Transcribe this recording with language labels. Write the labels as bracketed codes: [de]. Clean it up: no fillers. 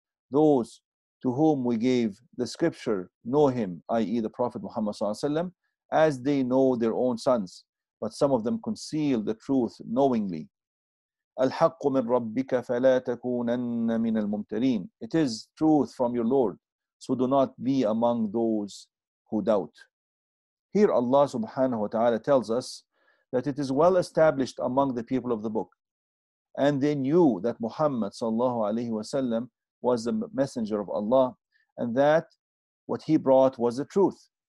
[en] Those to whom we gave the scripture know him, i.e. the Prophet Muhammad sallallahu alaihi wasallam, as they know their own sons, but some of them conceal the truth knowingly. [ar] الحق من ربك فلا تكونن من الممترين. [en] It is truth from your Lord, so do not be among those who doubt. Here Allah subhanahu wa ta'ala tells us that it is well established among the people of the book, and they knew that Muhammad sallallahu alayhi wa sallam was the messenger of Allah, and that what he brought was the truth.